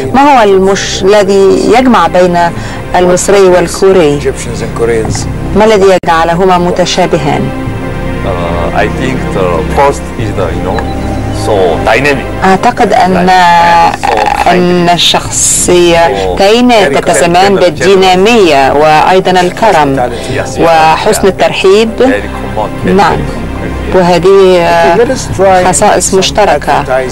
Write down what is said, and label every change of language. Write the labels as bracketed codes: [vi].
[ar] ما هو الذي يجمع بين المصري والكوري؟ ما الذي يجعلهما متشابهان؟ [en] I think the first is the, you know, so dynamic. [ar] أعتقد أن الشخصية كائنة تتزامن بالدينامية وأيضا الكرم وحسن الترحيب. نعم، وهذه خصائص مشتركة.